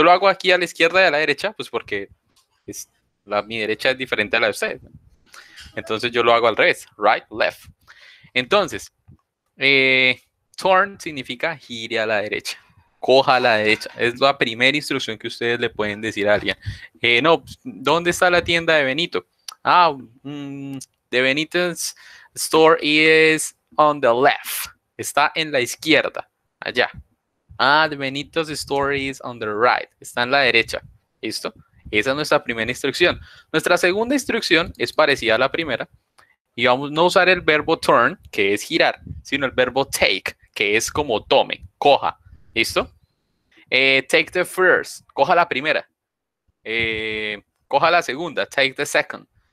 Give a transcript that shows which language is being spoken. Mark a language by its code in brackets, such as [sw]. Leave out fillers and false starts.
[es] Yo lo hago aquí a la izquierda y a la derecha, pues porque mi derecha es diferente a la de ustedes. Entonces yo lo hago al revés. [en] Right, left. [es] Entonces, turn significa gire a la derecha, coja a la derecha. Es la primera instrucción que ustedes le pueden decir a alguien. No, ¿dónde está la tienda de Benito? [en] Ah, de Benito's store is on the left. [es] Está en la izquierda, allá. [en] Ah, de Benito's store is on the right. [es] Está en la derecha. ¿Listo? Esa es nuestra primera instrucción. Nuestra segunda instrucción es parecida a la primera. Y vamos a no usar el verbo turn, que es girar, sino el verbo take, que es como tome, coja. ¿Listo? [en] Take the first. [es] Coja la primera. Coja la segunda. [en] Take the second.